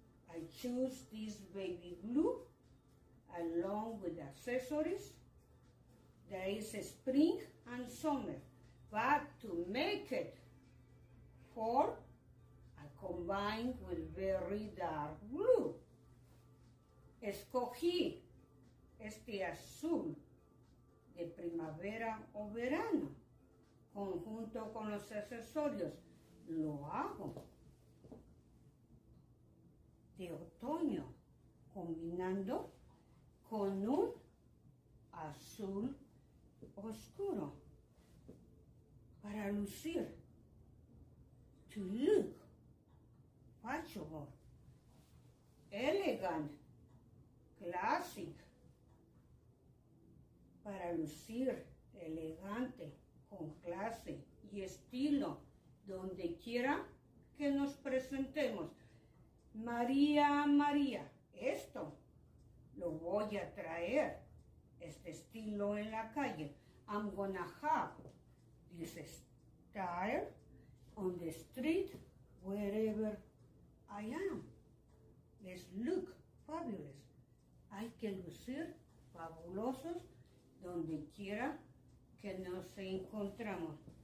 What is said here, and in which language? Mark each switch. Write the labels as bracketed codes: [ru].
[en] I choose this baby blue along with accessories. There is a spring and summer, but to make it for, I combine with very dark blue. [es] Escogí este azul de primavera o verano, conjunto con los accesorios. Lo hago de otoño, combinando con un azul oscuro para lucir, [en] to look fashionable, elegant, classic, [es] para lucir elegante, con clase y estilo, donde quiera que nos presentemos. María, María, esto lo voy a traer, este estilo en la calle. [en] I'm gonna have this style on the street wherever I am. Let's look fabulous. [es] Hay que lucir fabulosos donde quiera que nos encontramos.